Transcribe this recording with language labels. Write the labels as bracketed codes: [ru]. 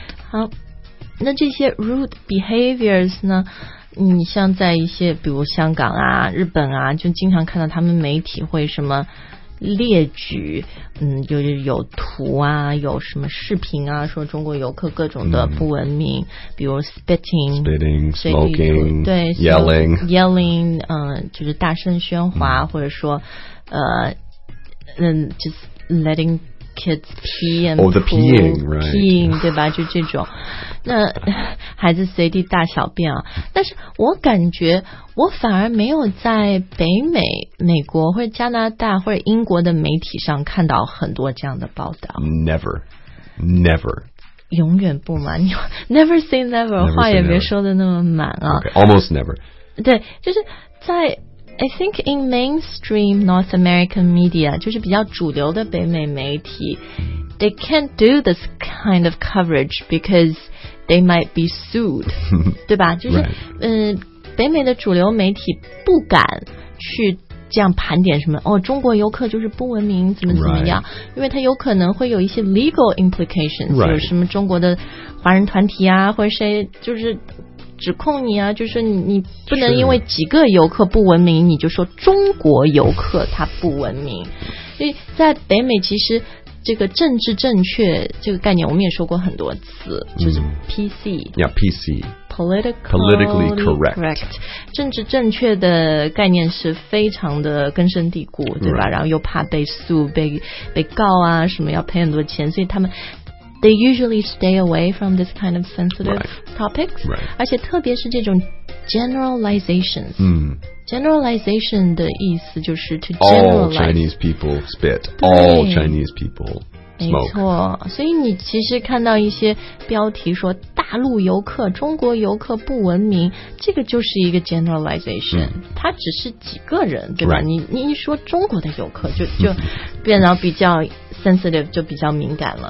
[zh] 好，那这些 [en] rude behaviors [zh] 呢，你像在一些比如香港啊日本啊，就经常看到他们媒体会什么列举，就是有图啊，有什么视频啊，说中国游客各种的不文明，比如 spitting, [en] smoking, [zh] 对 [en] yelling, [zh] 就是大声喧哗，或者说 [en] just letting kids pee and poo, the peeing, right? Peeing, [zh] 对吧？就这种，那孩子随地大小便啊。但是我感觉我反而没有在北美、美国或者加拿大或者英国的媒体上看到很多这样的报道。 [en] Never, never. [zh] 永远不满。 [en] Never say never, [zh] 话也别说的那么满啊。 [en] Okay, almost never. [zh] 对，就是在 [en] I think in mainstream North American media, [zh] 就是比较主流的北美媒体 [en] they can't do this kind of coverage because they might be sued, [zh] 对吧？就是、 [en] right. [zh] 北美的主流媒体不敢去这样盘点什么，哦，中国游客就是不文明，怎么怎么样、 [en] right. [zh] 因为他有可能会有一些 [en] legal implications,、 right. [zh] 有什么中国的华人团体啊，或者谁就是指控你啊，就是你不能因为几个游客不文明，你就说中国游客他不文明。所以在北美，其实这个政治正确这个概念，我们也说过很多次，就是 PC， [en] yeah， PC， politically correct， [zh] 政治正确的概念是非常的根深蒂固，对吧？ [en] Right. [zh] 然后又怕被诉、被告啊，什么要赔很多钱，所以他们 [en] they usually stay away from this kind of sensitive topics. Right. [zh] 而且特别是这种 generalizations. Generalization 的意思就是 [en] to generalize. All Chinese people spit. All Chinese people smoke. [zh] 没错。所以你其实看到一些标题说大陆游客、中国游客不文明，这个就是一个 generalization. 它只是几个人，对吧？ [en] Right. [zh] 你一说中国的游客就变得比较sensitive 就比较敏感了。